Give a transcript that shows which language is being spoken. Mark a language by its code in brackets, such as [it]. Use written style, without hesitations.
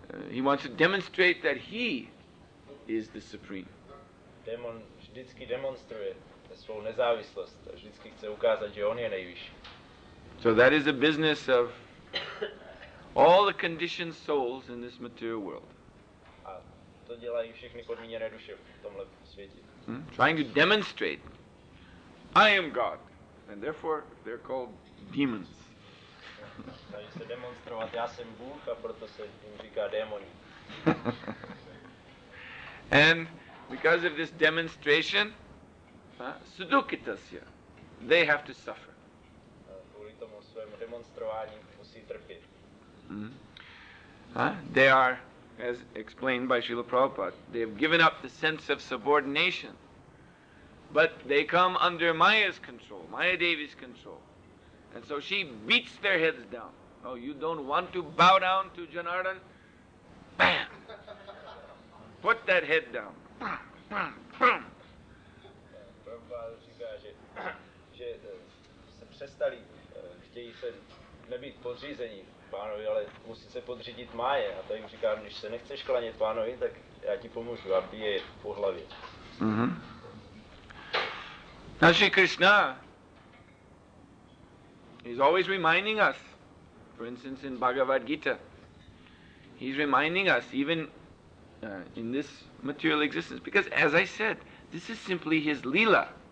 [en] He wants to demonstrate that he is the supreme. [cs] Démon vždycky demonstruje svou nezávislost a vždycky chce ukázat, že on je nejvyšší. [en] So that is the business of all the conditioned souls in this material world. [cs] A to dělají všechny podmíněné duše v tomhle světě. [en] Trying to demonstrate, I am God, and therefore they're called demons. [cs] Snaží se demonstrovat, já jsem Bůh, a proto se jim říká démoni. [en] And because of this demonstration, sudukitasya, they have to suffer. [cs] Kvůli tomu svému demonstrování musí trpět. [en] They are, as explained by Srila Prabhupada, they have given up the sense of subordination. But they come under Maya's control, Maya Devi's control. And so she beats their heads down. Oh, you don't want to bow down to Janardhan? Bam! Put that head down. Bam, bam, bam. [cs] Prabhupada říká, že se přestali, chtějí se nebýt podřízení pánovi, ale musí se podřídit Maje. A to jim říká, když se nechceš klanět pánovi, tak já ti pomůžu a bije po hlavě. [en] Now Sri Krishna is always reminding us, for instance in Bhagavad Gita, he's reminding us even in this material existence, because as I said, this is simply his lila.